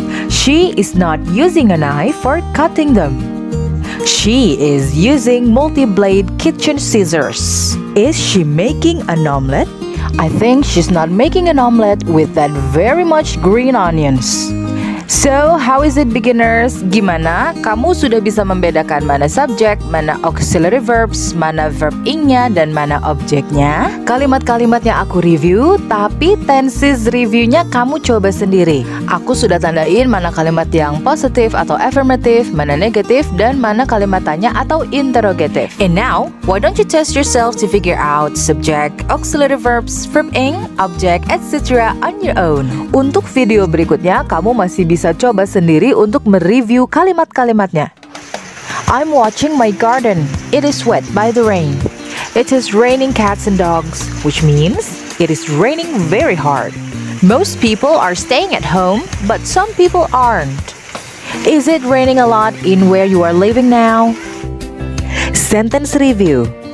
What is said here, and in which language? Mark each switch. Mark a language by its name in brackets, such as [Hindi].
[English] She is not using a knife for cutting them. She is using multi-blade kitchen scissors. Is she making an omelet? I think she's not making an omelet with that very much green onions. So, how is it beginners? [Indonesian] Gimana? Kamu sudah bisa membedakan mana subjek, mana auxiliary verbs, mana verb ing-nya, dan mana objeknya? Kalimat-kalimatnya aku review, tapi tenses review-nya kamu coba sendiri. Aku sudah tandain mana kalimat yang positif atau affirmative, mana negatif, dan mana kalimat tanya atau interrogative. [English] And now, why don't you test yourself to figure out subjek, auxiliary verbs, verb ing, objek, etc. on your own. [Indonesian] Untuk video berikutnya, kamu masih bisa coba sendiri untuk mereview kalimat-kalimatnya. [English] I'm watching my garden. It is wet by the rain. It is raining cats and dogs, which means it is raining very hard. Most people are staying at home, but some people aren't. Is it raining a lot in where you are living now? Sentence review.